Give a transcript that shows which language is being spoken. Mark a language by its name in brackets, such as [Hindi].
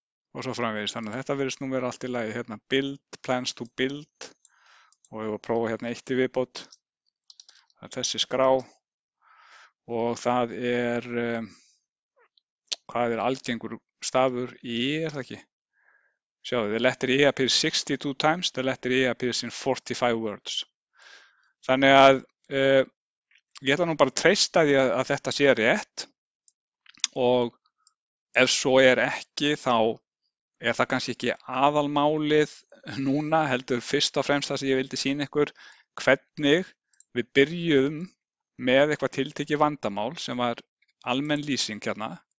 [Icelandic] Og svo framvegis, þannig að þetta virðist nú vera allt í lagi, hérna [English] build, plans to build. [Icelandic] Og ef við prófa hérna eitt í viðbót, það er þessi skrá. Og það er, hvað er algengur stafur í, er það ekki? [English] Sjáðu, the letter E appears 62 times, the letter E appears in 45 words. [Icelandic] Þannig að ég ætla nú bara að treysta því að þetta sé rétt. Og ef svo er ekki, þá er það kannski ekki aðalmálið núna, heldur fyrst og fremst það sem ég vildi sýna ykkur, hvernig við byrjuðum með eitthvað tiltekið vandamál sem var almenn lýsing hérna.